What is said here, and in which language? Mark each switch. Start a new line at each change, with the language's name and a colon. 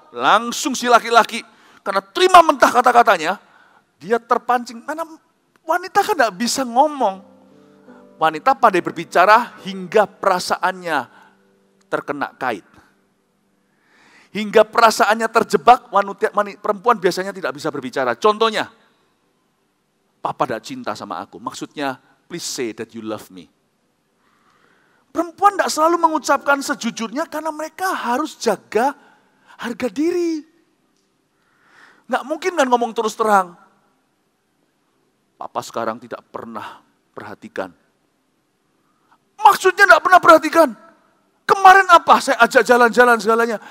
Indonesian: Langsung si laki-laki, karena terima mentah kata-katanya, dia terpancing. Mana wanita kan gak bisa ngomong. Wanita pandai berbicara hingga perasaannya terkena kait. Hingga perasaannya terjebak, perempuan biasanya tidak bisa berbicara. Contohnya, papa gak cinta sama aku. Maksudnya,
English: please say that you love me.
Indonesian: Perempuan gak selalu mengucapkan sejujurnya karena mereka harus jaga harga diri. Gak mungkin kan ngomong terus terang. Papa sekarang tidak pernah perhatikan. Maksudnya gak pernah perhatikan. Kemarin apa? Saya ajak jalan-jalan segalanya.